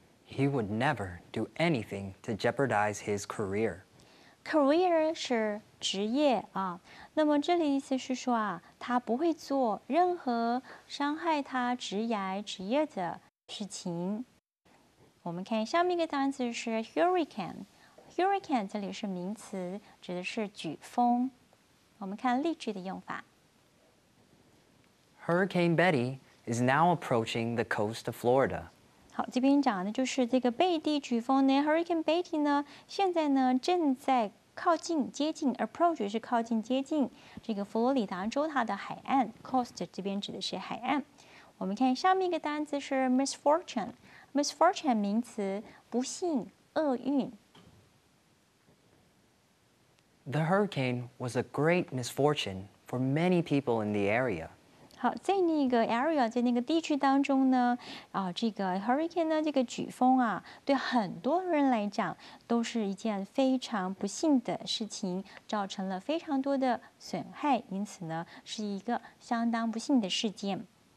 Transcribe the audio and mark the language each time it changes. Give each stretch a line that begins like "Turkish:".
English: He would never do anything to jeopardize his career.
Chinese: Career 是职业啊，那么这里意思是说啊，他不会做任何伤害他职业的事情。我们看下面一个单词是 hurricane. Hurricane 这里是名词，指的是飓风。我们看例句的用法。
English: Hurricane Betty is now approaching the coast of Florida.
Chinese: 好，这边讲的就是这个贝蒂飓风呢 ，Hurricane Betty 呢，现在呢正在靠近、接近 ，approach 是靠近、接近这个佛罗里达州它的海岸 ，coast 这边指的是海岸。我们看下面一个单词是 misfortune 名词，不幸、厄运。
English: The hurricane was a great misfortune for many people in the area.
Chinese: 好，在那个 area， 在那个地区当中呢，啊，这个 hurricane 呢，这个飓风啊，对很多人来讲都是一件非常不幸的事情，造成了非常多的损害，因此呢，是一个相当不幸的事件。